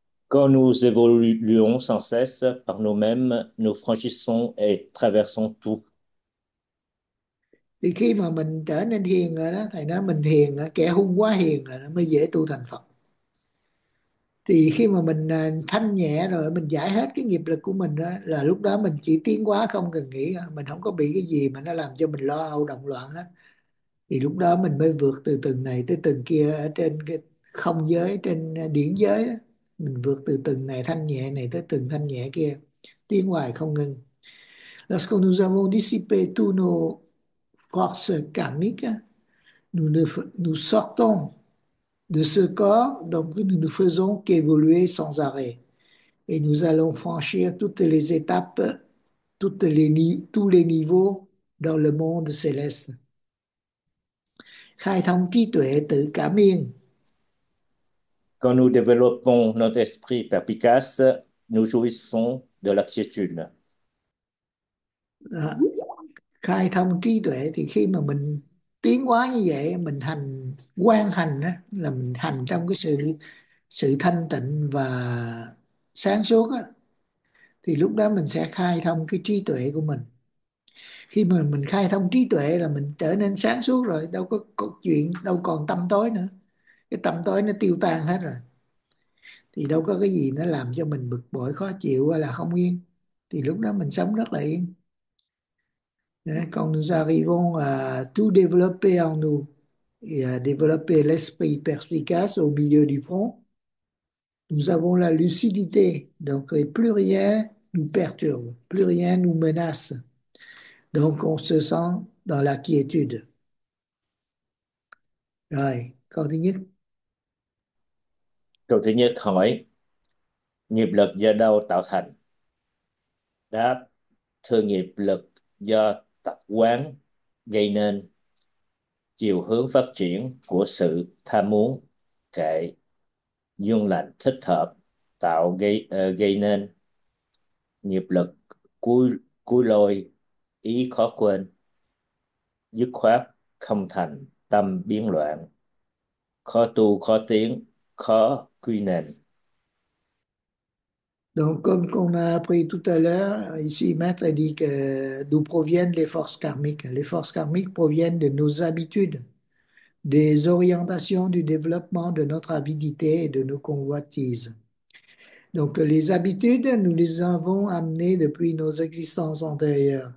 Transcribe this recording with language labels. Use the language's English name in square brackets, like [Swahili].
[French] Quand nous évoluons sans cesse par nous-mêmes, nous franchissons et traversons tout. [Vietnamese] Thì khi mà mình trở nên hiền rồi đó, thầy nói mình hiền, kẻ hung quá hiền rồi nó mới dễ tu thành Phật. Thì khi mà mình thanh nhẹ rồi, mình giải hết cái nghiệp lực của mình đó, là lúc đó mình chỉ tiến quá không cần nghĩ, mình không có bị cái gì mà nó làm cho mình lo âu động loạn đó. Thì lúc đó mình mới vượt từ từng này tới từng kia ở trên cái không giới, trên điển giới đó. Mình vượt từ từng này thanh nhẹ này tới từng thanh nhẹ kia, tiến hoài không ngừng. [French] Lorsque nous avons dissipé tous nos forces karmiques, nous sortons de ce corps, donc nous ne faisons qu'évoluer sans arrêt. Et nous allons franchir toutes les étapes, tous les niveaux dans le monde céleste. [Vietnamese] Khai thông trí tuệ tự cảm yên. [French] Quand nous développons notre esprit perspicace, nous jouissons de la quiétude. [Vietnamese] Khai thông trí tuệ thì khi mà mình tiến hóa như vậy, mình hành quan hành đó, là mình hành trong cái sự sự thanh tịnh và sáng suốt đó, thì lúc đó mình sẽ khai thông cái trí tuệ của mình. Khi mà mình khai thông trí tuệ là mình trở nên sáng suốt rồi, đâu có chuyện đâu còn tâm tối nữa. Cái tâm tối nó tiêu tan hết rồi. Thì đâu có cái gì nó làm cho mình bực bội, khó chịu hay là không yên. Thì lúc đó mình sống rất là yên. [French] Quand nous arrivons à tout développer en nous et à développer l'esprit perspicace au milieu du front, nous avons la lucidité. Donc plus rien nous perturbe, plus rien nous menace. Donc on se sent dans la quiétude. [Vietnamese] Rồi, continue. Câu thứ nhất hỏi, nghiệp lực do đâu tạo thành? Đáp, thưa nghiệp lực do tập quán gây nên, chiều hướng phát triển của sự tham muốn, kệ, dung lành thích hợp tạo gây nên, nghiệp lực cuối lôi ý khó quên, dứt khoát không thành tâm biến loạn, khó tu khó tiến khó quy nền. [French] Donc, comme on a appris tout à l'heure, ici, Maître a dit que d'où proviennent les forces karmiques. Les forces karmiques proviennent de nos habitudes, des orientations du développement de notre avidité et de nos convoitises. Donc, les habitudes, nous les avons amenées depuis nos existences antérieures.